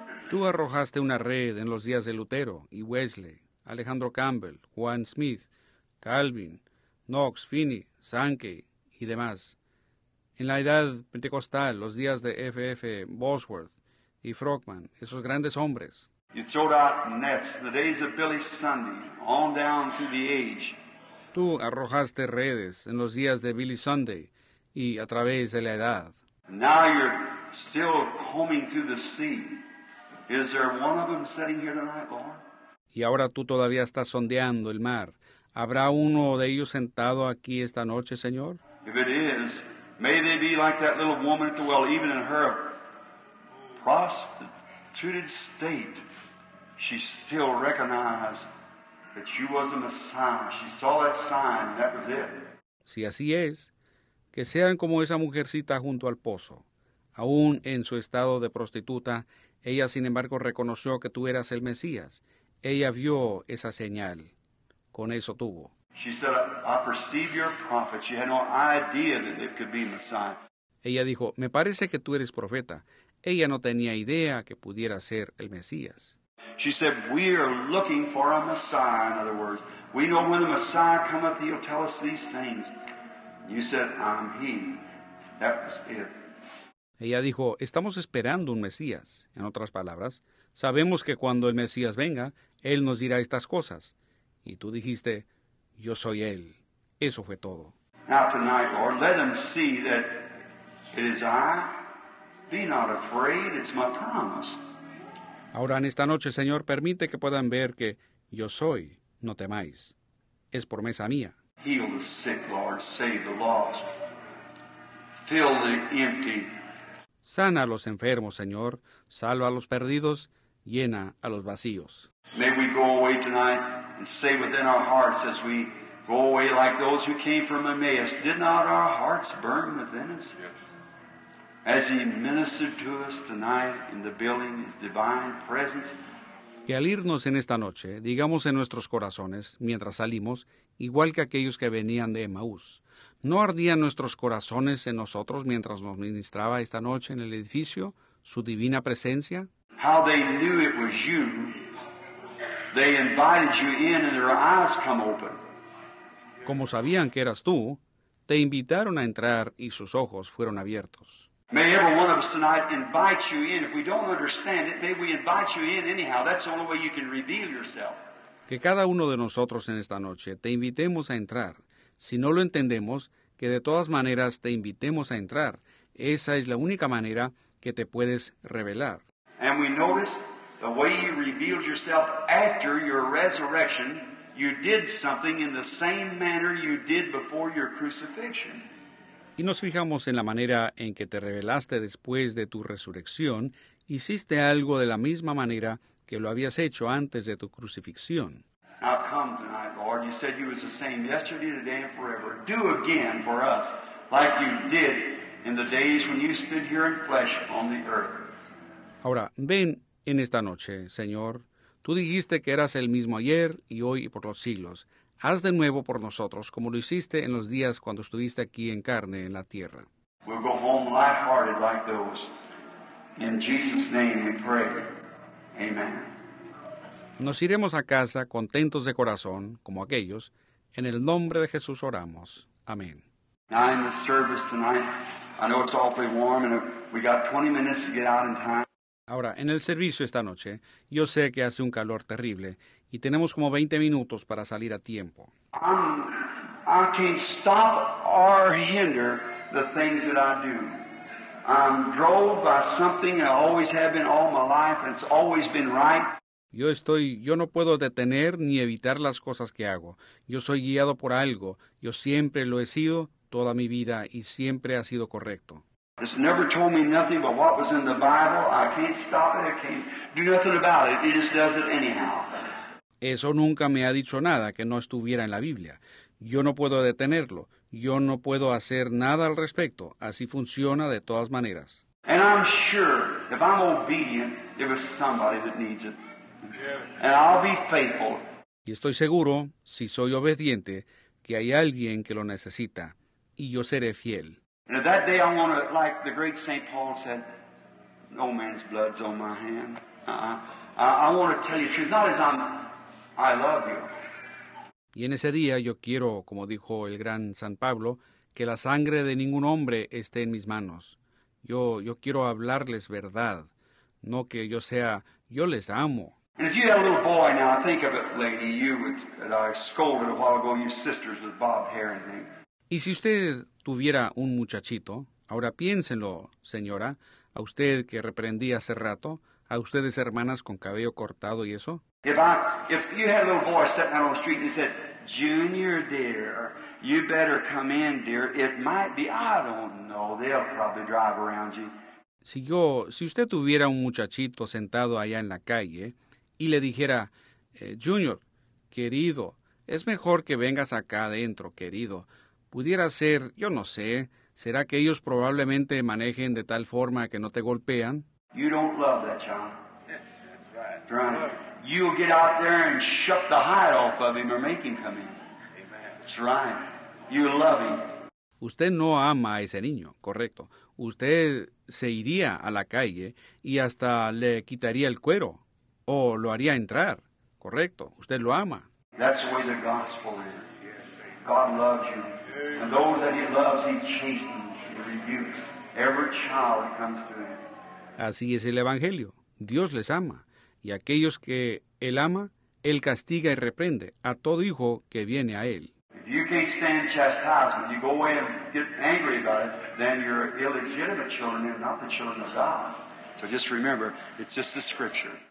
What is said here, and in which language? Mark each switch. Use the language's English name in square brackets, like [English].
[Spanish] Tú arrojaste una red en los días de Lutero y Wesley, Alejandro Campbell, Juan Smith, Calvin, Knox, Finney, Sankey y demás. En la edad pentecostal, los días de F.F. Bosworth y Frohman, esos grandes hombres. [English] You throwed out nets in the days of Billy Sunday, on down through the age. [Spanish] Tú arrojaste redes en los días de Billy Sunday y a través de la edad. [English] Now you're still combing through the sea. Is there one of them sitting here tonight, Lord? [Spanish] Y ahora tú todavía estás sondeando el mar. ¿Habrá uno de ellos sentado aquí esta noche, Señor? [English] If it is, may they be like that little woman at the well, even in her prostituted state, she still recognized that she was a Messiah. She saw that sign, and that was it. [Spanish] Si así es, que sean como esa mujercita junto al pozo. Aún en su estado de prostituta, ella sin embargo reconoció que tú eras el Mesías. Ella vio esa señal. Con eso tuvo. [English] She said, I perceive you're a prophet. She had no idea that it could be Messiah. [Spanish] Ella dijo, me parece que tú eres profeta. Ella no tenía idea que pudiera ser el Mesías. [English] She said, we are looking for a Messiah, in other words. We know when the Messiah cometh, he'll tell us these things. You said, I'm he. That was it. [Spanish] Ella dijo, estamos esperando un Mesías. En otras palabras, sabemos que cuando el Mesías venga, él nos dirá estas cosas. Y tú dijiste, yo soy él. Eso fue todo. [English] Now tonight, Lord, let them see that it is I. Be not afraid, it's my promise. [Spanish] Ahora en esta noche, Señor, permite que puedan ver que yo soy, no temáis. Es promesa mía. [English] Heal the sick, Lord, save the lost. Fill the empty. [Spanish] Sana a los enfermos, Señor. Salva a los perdidos. Llena a los vacíos. [English] May we go away tonight and say within our hearts as we go away like those who came from Emmaus. Did not our hearts burn within us? As he ministered to us tonight in the building, his divine presence. [Spanish] Que al irnos en esta noche, digamos en nuestros corazones, mientras salimos, igual que aquellos que venían de Emaús, ¿no ardían nuestros corazones en nosotros mientras nos ministraba esta noche en el edificio su divina presencia? [English] How they knew it was you. They invited you in and their eyes come open. [Spanish] Como sabían que eras tú, te invitaron a entrar y sus ojos fueron abiertos. [English] May every one of us tonight invite you in. If we don't understand it, may we invite you in anyhow. That's the only way you can reveal yourself. [Spanish] Que cada uno de nosotros en esta noche te invitemos a entrar. Si no lo entendemos, que de todas maneras te invitemos a entrar. Esa es la única manera que te puedes revelar. [English] And we notice the way you revealed yourself after your resurrection, you did something in the same manner you did before your crucifixion. [Spanish] Y nos fijamos en la manera en que te revelaste después de tu resurrección, hiciste algo de la misma manera que lo habías hecho antes de tu crucifixión. [English] Now come tonight, Lord. You said you was the same yesterday, today, and forever. Do again for us like you did in the days when you stood here in flesh on the earth. [Spanish] Ahora, ven en esta noche, Señor. Tú dijiste que eras el mismo ayer y hoy y por los siglos. Haz de nuevo por nosotros como lo hiciste en los días cuando estuviste aquí en carne en la tierra. [English] We'll go home lighthearted like those. In Jesus' name we pray. Amen. [Spanish] Nos iremos a casa contentos de corazón, como aquellos. En el nombre de Jesús oramos. Amén. [English] Now in the service tonight, I know it's awfully warm and we got 20 minutes to get out in time. [Spanish] Ahora, en el servicio esta noche, yo sé que hace un calor terrible y tenemos como 20 minutos para salir a tiempo. [English] I can't stop or hinder the things that I do. I'm drove by something I always have been all my life and it's always been right. [Spanish] Yo no puedo detener ni evitar las cosas que hago. Yo soy guiado por algo. Yo siempre lo he sido toda mi vida y siempre ha sido correcto. [English] It's never told me nothing but what was in the Bible. I can't stop it. I can't do nothing about it. It just does it anyhow. [Spanish] Eso nunca me ha dicho nada que no estuviera en la Biblia. Yo no puedo detenerlo. Yo no puedo hacer nada al respecto. Así funciona de todas maneras. [English] And I'm sure if I'm obedient, there is somebody that needs it. And I'll be faithful. [Spanish] Y estoy seguro, si soy obediente, que hay alguien que lo necesita. Y yo seré fiel. [English] And at that day, I want to, like the great St. Paul said, no man's blood's on my hand. I want to tell you the truth, not as I love you. [Spanish] Y en ese día, yo quiero, como dijo el gran San Pablo, que la sangre de ningún hombre esté en mis manos. Yo quiero hablarles verdad, no que yo sea, yo les amo. [English] And if you had a little boy now, think of it, lady, you that I scolded a while ago, you sisters with bob hair and things. [Spanish] Y si usted tuviera un muchachito, ahora piénsenlo, señora, a usted que reprendí hace rato, a ustedes hermanas con cabello cortado y eso. [English] If you had a little boy sitting out on the street and said, Junior, dear, you better come in, dear. It might be, I don't know, they'll probably drive around you. [Spanish] Si usted tuviera un muchachito sentado allá en la calle y le dijera, Junior, querido, es mejor que vengas acá adentro, querido. Pudiera ser, yo no sé, ¿será que ellos probablemente manejen de tal forma que no te golpean? [English] You don't love that child. That's right. You'll get out there and shut the hide off of him or make him come in. Amen. That's right. You love him. [Spanish] Usted no ama a ese niño, correcto. Usted se iría a la calle y hasta le quitaría el cuero o lo haría entrar, correcto. Usted lo ama. [English] That's the way the gospel is. God loves you. And those that he loves, he chastens and rebukes. Every child comes to him. [Spanish] Así es el Evangelio. Dios les ama. Y aquellos que él ama, él castiga y reprende a todo hijo que viene a él. [English] If you can't stand chastisement, you go away and get angry about it, then you're illegitimate children and not the children of God. So just remember, it's just the scripture.